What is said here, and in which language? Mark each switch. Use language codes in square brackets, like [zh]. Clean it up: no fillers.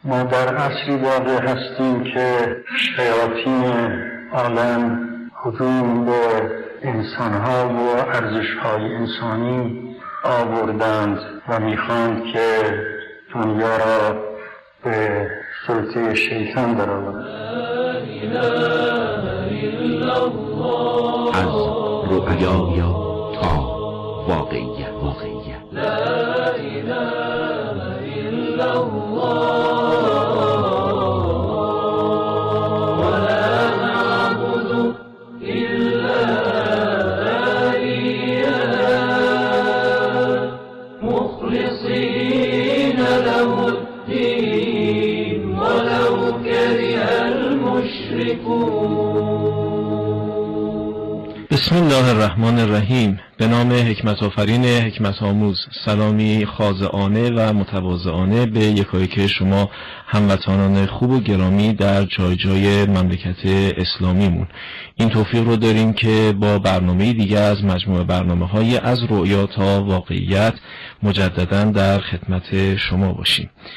[fa] ما در عصری واقع هستیم که شیاطین عالم هجوم به انسانها و ارزشهای انسانی آوردند و میخواند که دنیا را به سلطه شیطان درآورند. از رؤیا تا واقعیت، واقعیت [ar] لا اله الا الله ولا نعبد الا اياه مخلصين له الدين ولو كره المشركون. بسم الله الرحمن الرحیم. [fa] به نام حکمت آفرین حکمت آموز، سلامی خاضعانه و متواضعانه به یکایک شما هموطنان خوب و گرامی در جای جای مملکت اسلامیمون. این توفیق رو داریم که با برنامه دیگه از مجموعه برنامه های از رؤیا تا واقعیت مجدداً در خدمت شما باشیم.